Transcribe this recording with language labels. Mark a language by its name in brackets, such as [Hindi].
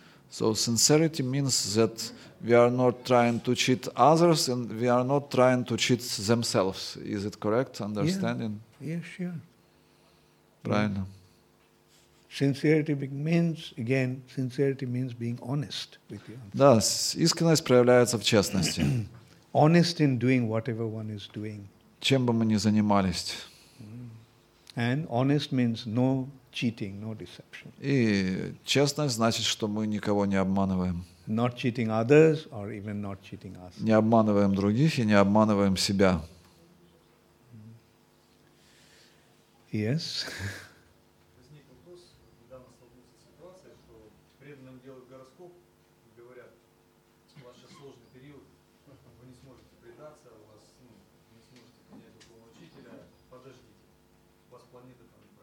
[English] So sincerity means that we are not trying to cheat others and we are not trying to cheat themselves. Is it correct understanding? Yeah. Yes, sure. [Russian] Правильно. [English] Sincerity means, again, sincerity means being honest with you. [Russian] Да, искренность проявляется в честности. [English] Honest in doing whatever one is doing. [Russian] Чем бы мы ни занимались. [English] And honest means no cheating, no deception. [Russian] И честность значит, что мы никого не обманываем. [English] Not cheating others or even not cheating us. [Russian] Не обманываем других и не обманываем себя. [English] Yes. [Russian] Возник вопрос, недавно столкнулся с ситуацией, что преданным делают гороскоп, говорят, у вас сейчас сложный период, вы не сможете предаться, у вас не сможете принять другого учителя, подождите, у вас планеты там